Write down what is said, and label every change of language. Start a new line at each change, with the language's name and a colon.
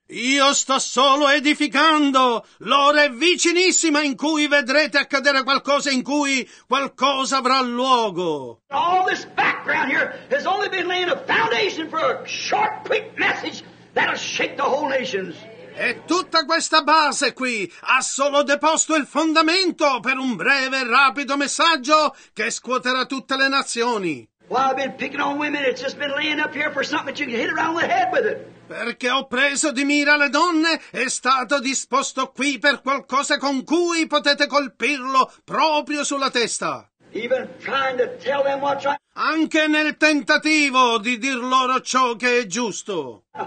Italian: Io sto solo edificando. L'ora è vicinissima in cui vedrete accadere qualcosa, in cui qualcosa avrà luogo.
English: All this background here has only been laying a foundation for a short, quick message that'll shake the whole nations.
Italian: E tutta questa base qui ha solo deposto il fondamento per un breve e rapido messaggio che scuoterà tutte le nazioni.
English: Well, I've been picking on women, it's just been laying up here for something that you can hit around the head with it.
Italian: Perché ho preso di mira le donne, è stato disposto qui per qualcosa con cui potete colpirlo proprio sulla testa.
English: Even trying to tell them what's right.
Italian: Anche nel tentativo di dir loro ciò che è giusto.